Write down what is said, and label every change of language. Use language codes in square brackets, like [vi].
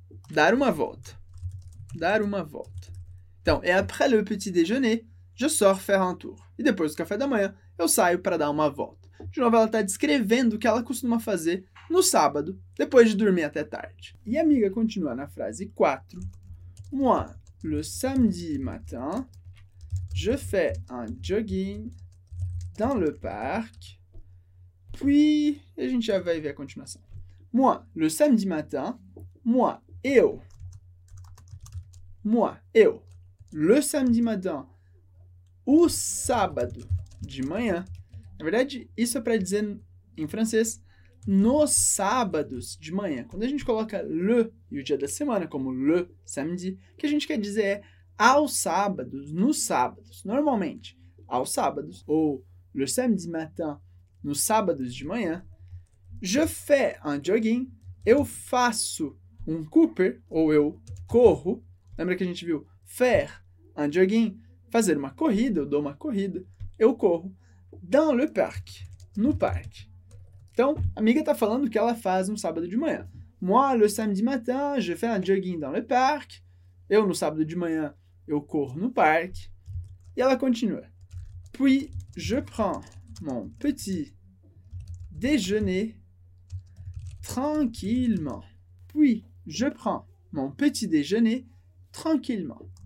[pt] Dar uma volta. Dar uma volta. Então, [fr] et après le petit déjeuner, Je sors faire un tour. [pt] E depois do café da manhã, eu saio para dar uma volta. De novo, ela está descrevendo o que ela costuma fazer no sábado, depois de dormir até tarde. E a amiga continua na frase 4. [fr] Moi, le samedi matin, je fais un jogging dans le parc. [pt] Puis, a gente já vai ver a continuação. [fr] Moi, le samedi matin, moi, [pt] eu. Moi, eu. [fr] Le samedi matin, [pt] o sábado de manhã. Na verdade, isso é para dizer em francês, nos sábados de manhã. Quando a gente coloca le e o dia da semana, como le samedi, o que a gente quer dizer é aos sábados, nos sábados. Normalmente, aos sábados, ou [fr] le samedi matin, [pt] nos sábados de manhã. [fr] Je fais un jogging, [pt] eu faço um cooper, ou eu corro. Lembra que a gente viu [fr] faire un jogging, [pt] fazer uma corrida, eu dou uma corrida, eu corro. [fr] Dans le parc, [pt] no parque. Então, a amiga está falando que ela faz um sábado de manhã. [fr] Moi, le samedi matin, je fais un jogging dans le parc. [pt] Eu, no sábado de manhã, eu corro no parque. E ela continua. [fr] Puis, je prends mon petit déjeuner tranquillement. Puis, je prends mon petit déjeuner tranquillement.